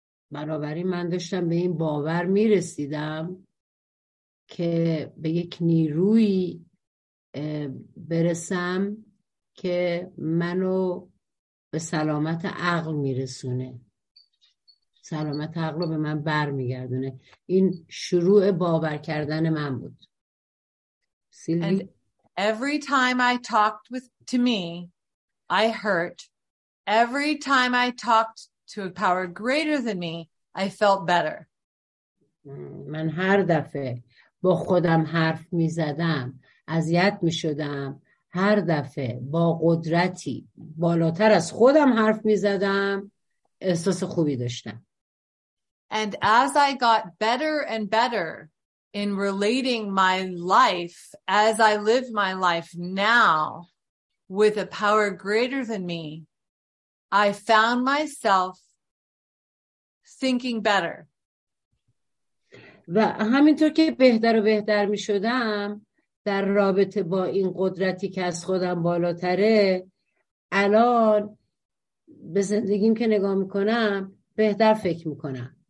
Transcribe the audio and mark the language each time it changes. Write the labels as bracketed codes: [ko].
[fa] بنابراین من داشتم به این باور می رسیدم که به یک نیروی برسم که منو به سلامت عقل می رسونه. سلامت عقل رو به من بر می گردونه. این شروع باور کردن من بود. سیلوی؟ [en] And every time I talked to me, I hurt. Every time I talked to a power greater than me, I felt better. [fa] من هر دفعه با خودم حرف می زدم اذیت می شدم. هر دفعه با قدرتی بالاتر از خودم حرف می زدم احساس خوبی داشتم. [en] And as I got better and better in relating my life, as I live my life now with a power greater than me, I found myself thinking better. [fa] و همینطور که بهتر و بهتر می شدم در رابطه با این قدرتی که از خودم بالاتره، الان به زندگیم که نگاه می کنم بهتر فکر می کنم.